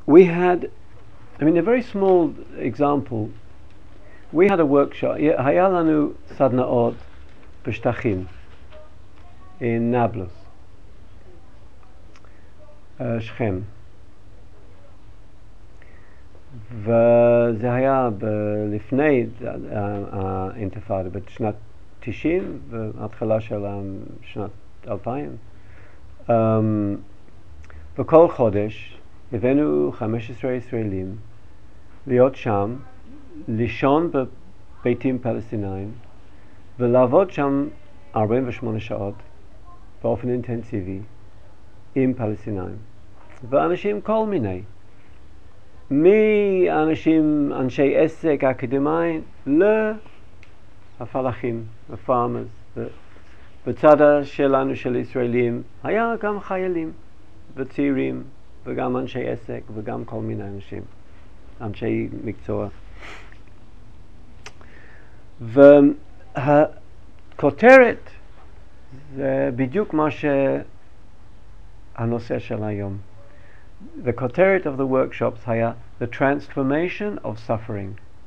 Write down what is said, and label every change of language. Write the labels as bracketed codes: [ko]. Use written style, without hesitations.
[en] A very small example. We had a workshop, Hayalanu Sadnaot Peshtachim in Nablus, Shechem. [he] וזה היה לפני האינטיפאדה, בשנת 90 והתחלה של שנת 2000. בכל חודש הבאנו 15 ישראלים להיות שם, לישון בביתים פלסטינאים ולעבוד שם 48 שעות באופן אינטנסיבי עם פלסטינאים ואנשים כל מיני, מאנשים, אנשי עסק, אקדמיים, לפלחים, לפארמרס. בצד שלנו של ישראלים, היה גם חיילים וצעירים, וגם אנשי עסק, וגם כל מיני אנשים, אנשי מקצוע. והכותרת זה בדיוק מה שהנושא של היום. [en] The quotient of the workshops here, the transformation of suffering.